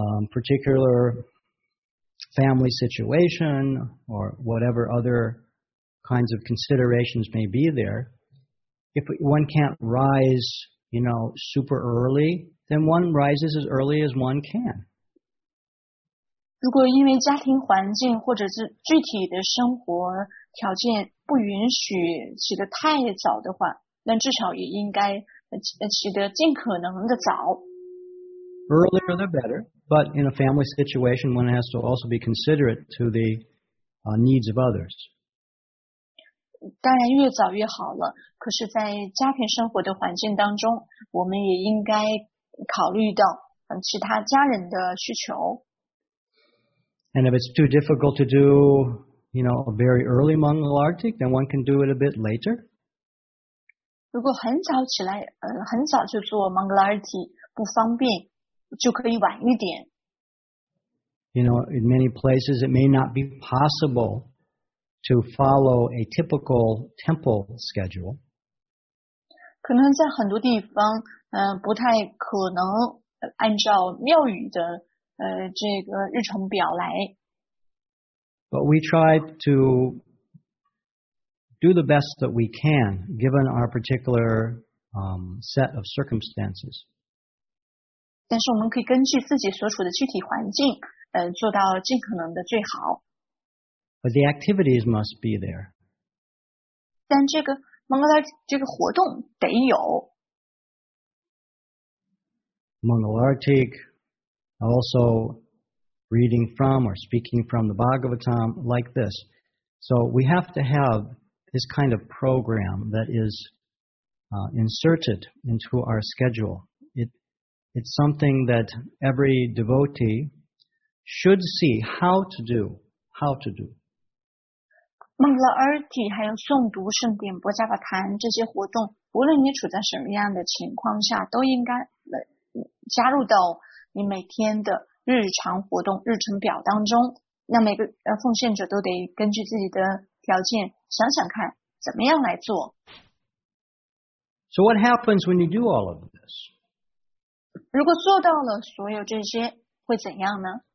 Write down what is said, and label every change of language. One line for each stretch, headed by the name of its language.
English: particular family situation or whatever other kinds of considerations may be there, if one can't rise, you know, super early, then one rises as early as one can.
Chinese: 如果因为家庭环境或者是具体的生活条件不允许起得太早的话，那至少也应该起得尽可能的早。
English: Earlier the better, but in a family situation, one has to also be considerate to the needs of others.
Chinese: 当然越早越好了，可是在家庭生活的环境当中，我们也应该考虑到其他家人的需求。
English: And if it's too difficult to do, you know, a very early Mangal Aarti, then one can do it a bit later.
Chinese: 如果很早起来，很早就做 Mangal Aarti 不方便，就可以晚一点。
English: You know, in many places, it may not be possible to follow a typical temple schedule.
Chinese: 可能在很多地方，不太可能按照庙宇的这个日程表来。
English: But we try to do the best that we can, given our particular set of circumstances.
Chinese: 但是我们可以根据自己所处的具体环境，做到尽可能的最好。
English: But the activities must be there.
Chinese: 但这个Mangal Aarti这个活动得有。 Mangal Aarti。
English: Also, reading from or speaking from the Bhagavatam like this. So we have to have this kind of program that is inserted into our schedule. It's something that every devotee should see how to do.
Chinese: Mangal Aarti 还有诵读圣典波迦巴坛这些活动，无论你处在什么样的情况下，都应该加入到你每天的日常活动日程表当中，那每个奉献者都得根据自己的条件想想看怎么样来做。
English: So what happens when you do all of this?
Chinese: 如果做到了所有这些会怎样呢？